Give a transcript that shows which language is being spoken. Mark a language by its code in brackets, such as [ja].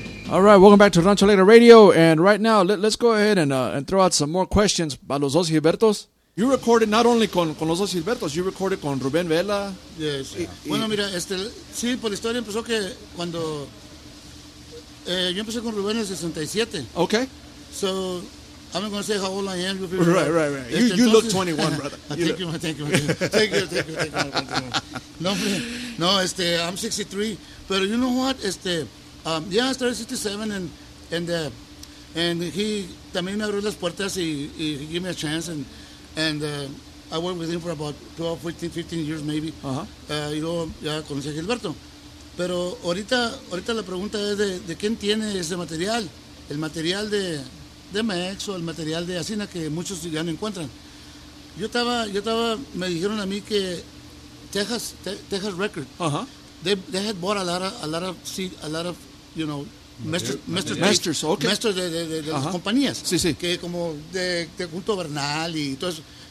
[en] All right, welcome back to Rancho Alegre Radio. And right now, let's go ahead and throw out some more questions by Los Dos Gilbertos. You recorded not only con Los Dos Gilbertos, you recorded con Rubén Vela. Yes. Yeah. [es] Bueno, mira, sí, por la historia empezó que cuando yo empecé con Rubén en el 67. [en] Okay. So, I'm going to say how old I am. Right, right, right. You look 21, brother. Thank you. No, I'm 63. [es] Pero [en] you know what, yeah, I started 67 and he [es] también me abrió las puertas [en] y he gave me a chance and I worked with him for about 12, 14, 15 years maybe. Uh-huh. [es] Yo ya conocí a Gilberto. [en] Pero ahorita [es] la pregunta es de quién tiene ese material, el material de Mex o el material de Asina que muchos ya no encuentran. Yo estaba, me dijeron a mí que Texas Record. Ajá. Uh-huh. [en] They had bought a lot of you know, masters, okay. [es] Masters de uh-huh. las compañías. Sí, sí. Que como de Junto Bernal y todo eso.